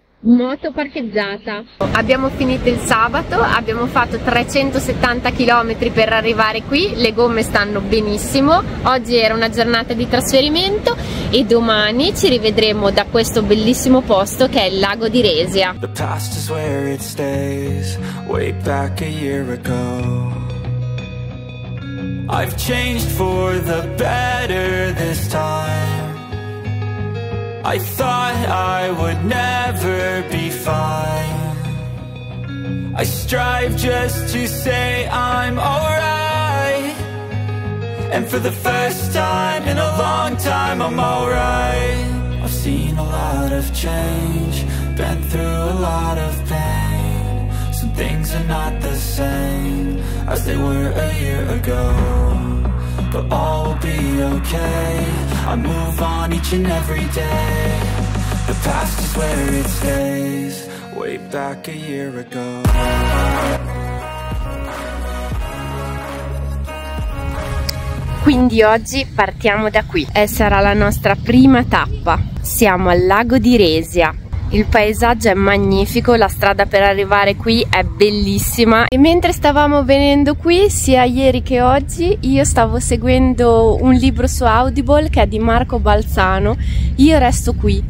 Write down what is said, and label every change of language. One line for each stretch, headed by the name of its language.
Italian: Moto parcheggiata. Abbiamo finito il sabato, abbiamo fatto 370 km per arrivare qui, le gomme stanno benissimo. Oggi era una giornata di trasferimento e domani ci rivedremo da questo bellissimo posto che è il lago di Resia.
English: The past is where it stays, way back a year ago. I've changed for the better this time. I thought I would never be fine. I strive just to say I'm alright. And for the first time in a long time I'm alright. I've seen a lot of change, been through a lot of pain. Some things are not the same as they were a year ago. But all will be okay, I move on each and every day. The past is where it stays, way back a year ago.
Italian: Quindi oggi partiamo da qui e sarà la nostra prima tappa. Siamo al lago di Resia. Il paesaggio è magnifico, la strada per arrivare qui è bellissima. E mentre stavamo venendo qui, sia ieri che oggi, io stavo seguendo un libro su Audible che è di Marco Balzano. Io resto qui.